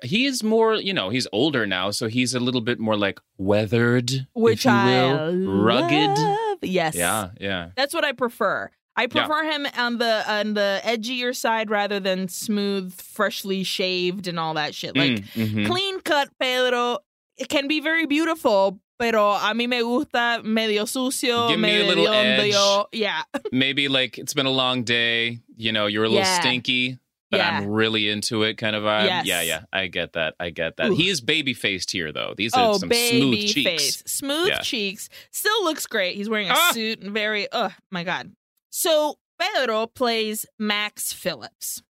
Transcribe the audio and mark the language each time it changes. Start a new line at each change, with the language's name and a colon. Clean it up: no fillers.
English: He is more, he's older now, so he's a little bit more like weathered, rugged. Yes. Yeah, yeah. That's what I prefer. I prefer him on the edgier side rather than smooth, freshly shaved and all that shit. Like clean cut Pedro, it can be very beautiful.
Spanish: Pero a mí me gusta medio sucio, medio.
English: Yeah. Maybe like it's been a long day, you're a little stinky, but I'm really into it kind of vibe. Yes. Yeah. I get that. Ooh. He is baby faced here though. These are some smooth cheeks. Smooth cheeks. Still looks great. He's wearing a suit and my God. So Pedro plays Max Phillips.